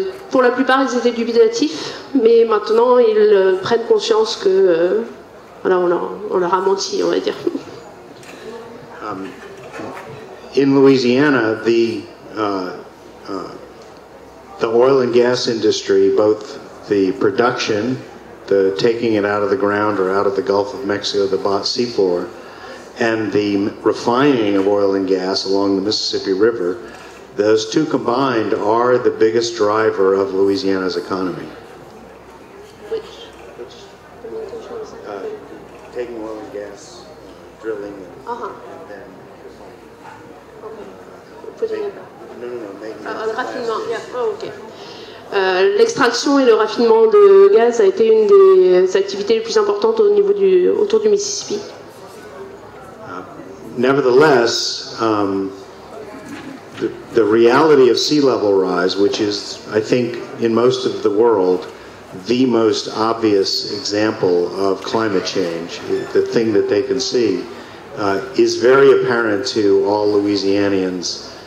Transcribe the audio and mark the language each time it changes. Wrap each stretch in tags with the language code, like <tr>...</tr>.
<fr>Pour la plupart, ils étaient dubitatifs, mais maintenant ils prennent conscience que on leur a menti, on va dire.</fr> <en>In Louisiana, the oil and gas industry, both the production, the taking it out of the ground or out of the Gulf of Mexico, the bought seafloor, and the refining of oil and gas along the Mississippi River, those two combined are the biggest driver of Louisiana's economy. Which? Taking oil and gas, drilling, and then</en> <fr>L'extraction et le raffinement de gaz a été une des activités les plus importantes au niveau autour du Mississippi.</fr> <en>Nevertheless, the reality of sea level rise, which is, I think, in most of the world, the most obvious example of climate change, the thing that they can see, is very apparent to all Louisianians.</en>